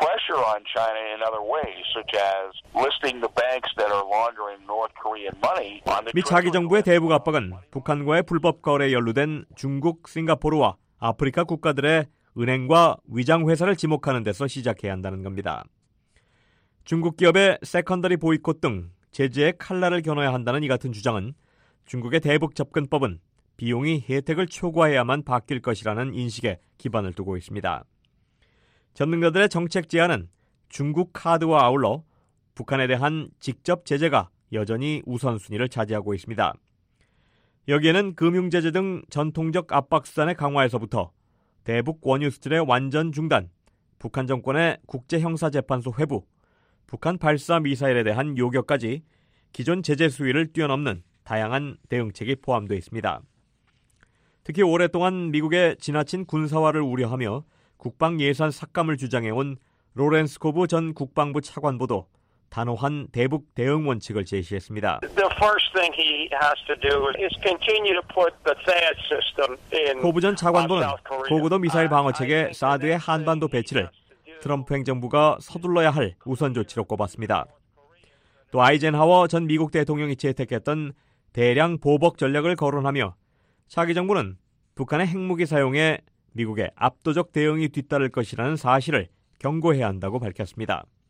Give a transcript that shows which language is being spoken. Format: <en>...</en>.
<en>On China in other ways, such as listing the banks that are laundering North Korean money.</en> <ko>미 차기 정부의 대북 압박은 북한과의 불법 거래에 연루된 중국, 싱가포르와 아프리카 국가들의 은행과 위장 회사를 지목하는 데서 시작해야 한다는 겁니다. 중국 기업의 세컨더리 보이콧 등 제재의 칼날을 겨눠야 한다는 이 같은 주장은 중국의 대북 접근법은 비용이 혜택을 초과해야만 바뀔 것이라는 인식에 기반을 두고 있습니다. 전문가들의 정책 제안은 중국 카드와 아울러 북한에 대한 직접 제재가 여전히 우선순위를 차지하고 있습니다. 여기에는 금융 제재 등 전통적 압박 수단의 강화에서부터 대북 원유 수출의 완전 중단, 북한 정권의 국제형사재판소 회부, 북한 발사 미사일에 대한 요격까지 기존 제재 수위를 뛰어넘는 다양한 대응책이 포함되어 있습니다. 특히 오랫동안 미국의 지나친 군사화를 우려하며 국방 예산 삭감을 주장해온 로렌스 코브 전 국방부 차관보도 단호한 대북 대응 원칙을 제시했습니다.</ko> <en>The first thing he has to do is continue to put the THAAD system in.</en> <ko>코브 전 차관보는 고고도 미사일 방어 체계 사드의 한반도 배치를 트럼프 행정부가 서둘러야 할 우선 조치로 꼽았습니다. 또 아이젠하워 전 미국 대통령이 채택했던 대량 보복 전략을 거론하며 차기 정부는 북한의 핵무기 사용에 미국의 압도적 대응이 뒤따를 것이라는 사실을 경고해야 한다고 밝혔습니다.</ko>